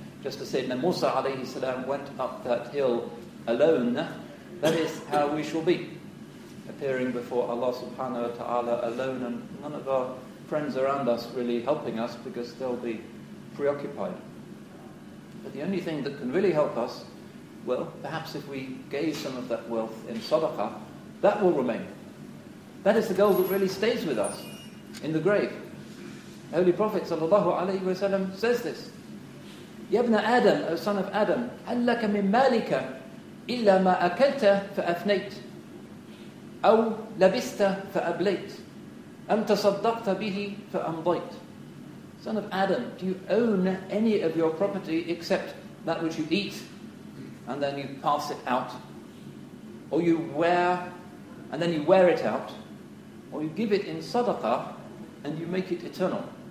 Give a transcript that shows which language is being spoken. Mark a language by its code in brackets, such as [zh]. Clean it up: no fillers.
[en] just as Sayyidina Musa alayhi salam went up that hill alone, that is how we shall be, appearing before Allah subhanahu wa ta'ala alone, and none of our friends around us really helping us, because they'll be preoccupied. But the only thing that can really help us, well, perhaps if we gave some of that wealth in sadaqah, that will remain. That is the goal that really stays with us in the grave. The Holy Prophet sallallahu alayhi wa sallam says this, [ar] يَبْنَ Adam, [en] O son of Adam, [ar] هَلْ لَكَ مِنْ مَالِكَ إِلَّا مَا أَكَلْتَ فَأَفْنَيْتَ أَوْ لَبِسْتَ فَأَبْلَيْتَ أَمْ تَصَدَّقْتَ بِهِ فَأَمْضَيْتَ. [en] Son of Adam, do you own any of your property except that which you eat and then you pass it out? Or you wear and then you wear it out? Or you give it in sadaqah and you make it eternal?